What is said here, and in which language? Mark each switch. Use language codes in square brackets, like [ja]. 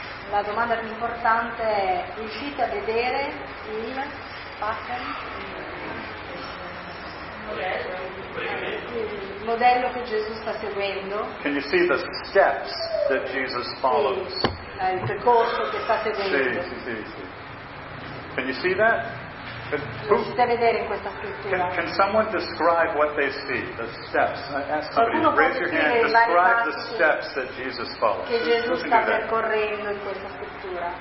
[it] La domanda più importante è: riuscite a vedere il pattern? Il modello che Gesù sta seguendo? [en] Can you see the steps that Jesus follows? [it] Il percorso che sta seguendo. [en] Sì. Can you see that? [it] Riuscite a vedere in questa scrittura? [en] Can someone describe what they see? The steps. Ask [it] qualcuno, [en] raise your hand. Describe the steps that Jesus follows. [it] Che Gesù sta percorrendo in questa scrittura?